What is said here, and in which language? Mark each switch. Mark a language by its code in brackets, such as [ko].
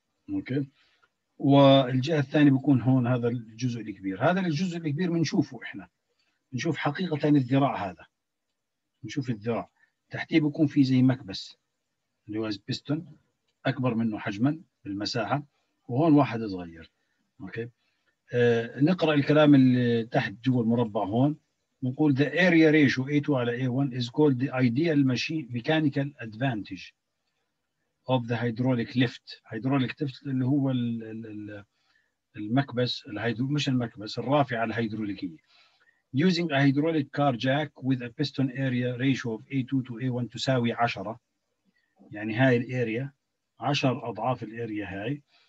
[ar] أوكي، والجهة الثانية بيكون هون هذا الجزء الكبير، هذا الجزء الكبير منشوفه إحنا، نشوف حقيقة الذراع هذا، نشوف الذراع، تحتيه بيكون فيه زي مكبس، اللي هو بيستون أكبر منه حجماً بالمساحة، وهون واحد صغير. اوكي نقرا الكلام اللي تحت جوا المربع هون، نقول [en] the area ratio A2 [ar] على [en] A1 is called the ideal mechanical advantage of the hydraulic lift. [ar] hydraulic lift اللي هو المكبس الهيدرو، مش المكبس، الرافعة الهيدروليكية. [en] using a hydraulic car jack with a piston area ratio of A2 to A1 [ar] تساوي 10، يعني هاي الاريا 10 اضعاف الاريا هاي.